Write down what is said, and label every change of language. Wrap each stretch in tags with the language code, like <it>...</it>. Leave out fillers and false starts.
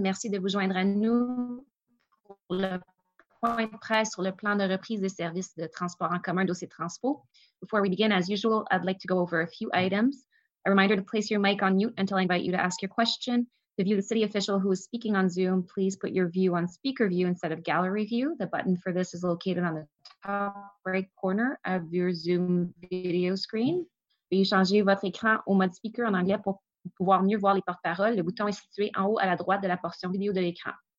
<fr>Merci de vous joindre à nous pour le point de presse sur le plan de reprise des services de transport en commun d'OC Transpo.</fr> <en>Before we begin, as usual, I'd like to go over a few items. A reminder to place your mic on mute until I invite you to ask your question. To view the city official who is speaking on Zoom, please put your view on speaker view instead of gallery view. The button for this is located on the top right corner of your Zoom video screen.</en> <fr>Veuillez changer votre écran au mode speaker en anglais pour pouvoir mieux voir les porte-paroles. Le bouton est situé en haut à la droite de la portion vidéo de l'écran.</fr>